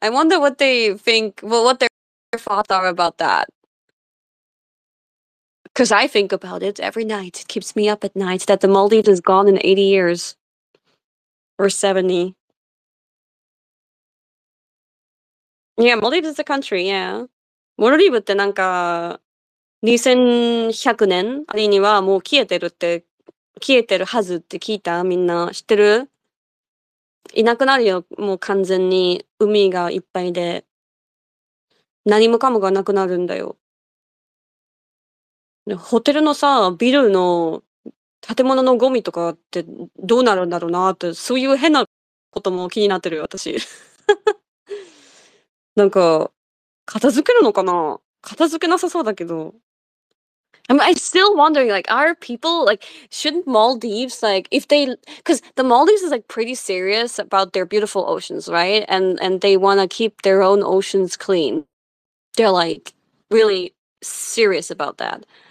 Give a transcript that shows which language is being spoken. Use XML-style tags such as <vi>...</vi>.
<en>I wonder what they think, well, what their thoughts are about that. Because I think about it every night. It keeps me up at night that the Maldives is gone in 80 years or 70. Yeah, Maldives is a country, yeah.</en> <ja>モルディブってなんか2100年ありにはもう消えてるって、消えてるはずって聞いた？みんな知ってる？いなくなるよ、もう完全に。海がいっぱいで。何もかもがなくなるんだよ。ホテルのさ、ビルの建物のゴミとかってどうなるんだろうなって、そういう変なことも気になってるよ、私。なんか、片付けるのかな？片付けなさそうだけど。</ja> <en>I'm still wondering, like, are people, like, shouldn't Maldives, like, if they, because the Maldives is, like, pretty serious about their beautiful oceans, right? And they want to keep their own oceans clean. They're, like, really serious about that.</en>